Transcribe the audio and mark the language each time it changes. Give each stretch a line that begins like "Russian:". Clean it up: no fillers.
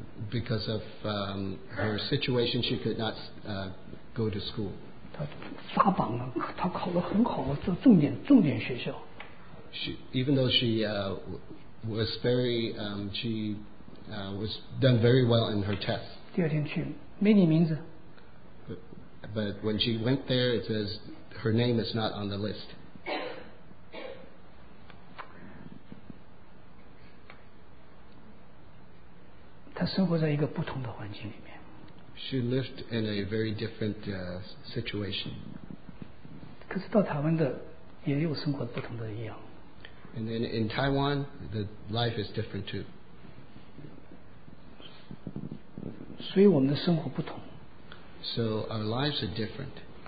English: Because of her situation, she could not go to school.
Chinese: 他发榜了，他考了很好，做重点学校。
English: Even though she was very she was done very well in her tests.
Chinese: 第二天去，没你名字。
English: But when she went there, it says her name is not on the list.
Chinese: 她生活在一个不同的环境里面。
English: She lived in a very different situation.
Chinese: 可是到台湾的也有生活不同的一样。
English: And then in Taiwan, the life is different too.
Chinese: 所以我们的生活不同。
English: So our lives are different.